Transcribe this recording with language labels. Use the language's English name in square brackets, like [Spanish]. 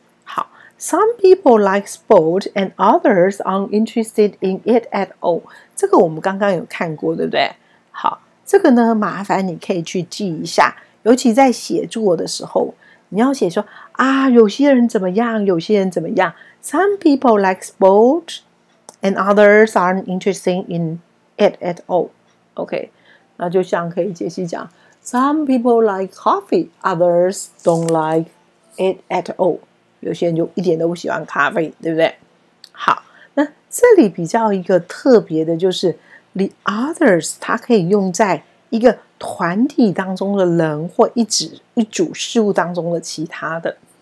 [English] 好 ，some people like sport and others aren't interested in it at all。 [Chinese] 这个我们刚刚有看过，对不对？好。这个呢，麻烦你可以去记一下，尤其在写作的时候，你要写说啊，有些人怎么样，有些人怎么样。 [English] Some people like sport, and others aren't interested in it at all. OK， [Chinese] 那就像可以解析讲 [English] ，Some people like coffee, others don't like it at all. [Chinese] 有些人就一点都不喜欢咖啡，对不对？好，那这里比较一个特别的就是。 The others， 它可以用在一个团体当中的人或一组事物当中的其他的。